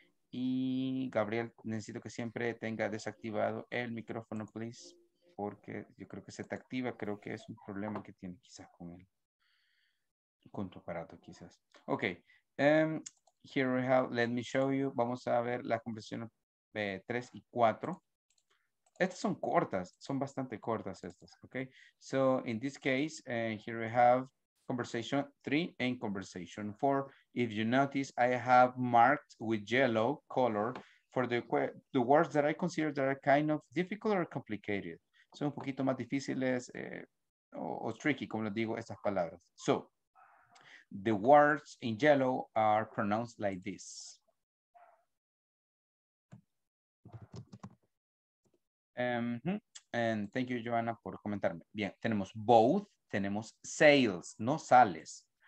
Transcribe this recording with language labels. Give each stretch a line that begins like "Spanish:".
Spanish: Y Gabriel, necesito que siempre tenga desactivado el micrófono, please, porque yo creo que se te activa, creo que es un problema que tiene quizás con él, con tu aparato quizás.
English: Ok, here we have, let me show you,
Spanish: vamos a ver la conversación 3 y 4. Estas son cortas, son bastante cortas estas, ok.
English: So, in this case, here we have conversation 3 and conversation 4. If you notice, I have marked with yellow color for the words that I consider that are kind of difficult or complicated.
Spanish: Son un poquito más difíciles o tricky, como les digo, estas palabras.
English: So, the words in yellow are pronounced like this. And thank you,
Spanish: Joanna, por comentarme. Bien, tenemos both, tenemos sales, no sales.